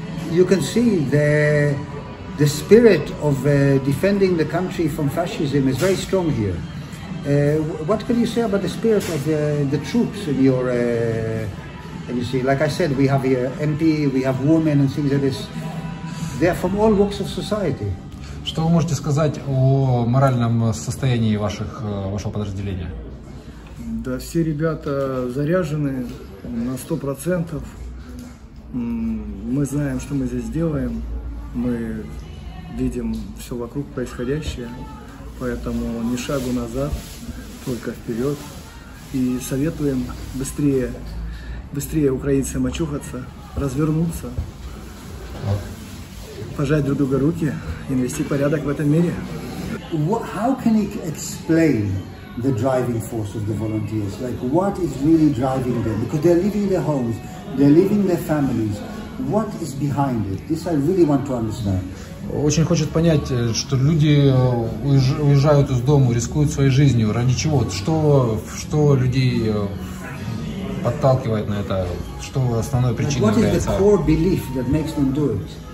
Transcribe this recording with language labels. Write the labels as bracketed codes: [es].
[en] You can see the spirit of defending the country from fascism is very strong here. What can you say about the spirit of the troops in your, and you see, like I said, we have here MP, we have women and things like this. They are from all walks of society. [ru] Что вы можете сказать о моральном состоянии вашего подразделения? Да, все ребята заряжены на 100%. Мы знаем, что мы здесь делаем. Мы видим все вокруг происходящее, поэтому ни шагу назад, только вперед. И советуем быстрее украинцам очухаться, развернуться, пожать друг друга руки и навести порядок в этом мире. [en] How can you explain the driving force of the volunteers? Like, what is really driving them? Because they're leaving their homes, they're leaving their families. What is behind it? This I really want to understand. [ru] Очень хочет понять, что люди уезжают из дома, рискуют своей жизнью. Ради чего? Что людей подталкивает на это? Что основной причиной является? [en] What is the core belief that makes them do it?